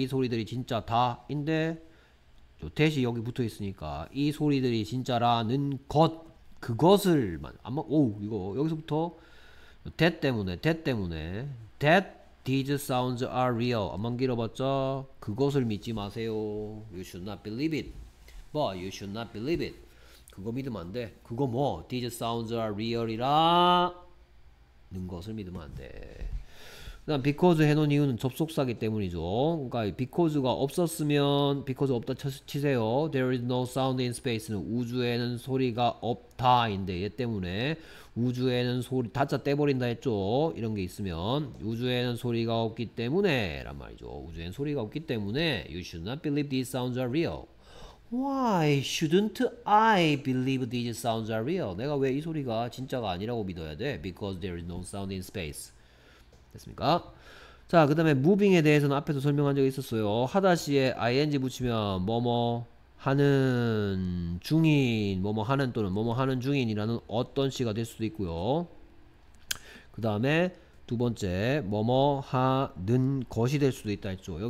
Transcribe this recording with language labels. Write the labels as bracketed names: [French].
[Korean] 이 소리들이 진짜 다인데 대시 여기 붙어 있으니까 이 소리들이 진짜라는 것 그것을 아마 오 이거 여기서부터 that 때문에 [English] these sounds are real [Korean] 암만 길어봤자 그것을 믿지 마세요. [English] You should not believe it. But you should not believe it. [Korean] 그거 믿으면 안 돼. 그거 뭐 [English] these sounds are real [Korean] 이라는 것을 믿으면 안 돼. 그다음 because 해놓은 이유는 접속사기 때문이죠. 그러니까 because가 없었으면 because 없다 치세요. [English] There is no sound in space [Korean] 는 우주에는 소리가 없다인데 얘 때문에 우주에는 소리 다짜 떼버린다 했죠. 이런 게 있으면 우주에는 소리가 없기 때문에란 말이죠. 우주에는 소리가 없기 때문에 [English] you should not believe these sounds are real. Why shouldn't I believe these sounds are real? [Korean] 내가 왜이 소리가 진짜가 아니라고 믿어야 돼? [English] Because there is no sound in space. [Korean] 됐습니까? 자, 그 다음에 moving에 대해서는 앞에서 설명한 적이 있었어요. 하다시에 ing 붙이면 뭐뭐 하는 중인, 뭐뭐 하는 또는 뭐뭐 하는 중인이라는 어떤 시가 될 수도 있고요. 그 다음에 두 번째 뭐뭐 하는 것이 될 수도 있다 했죠.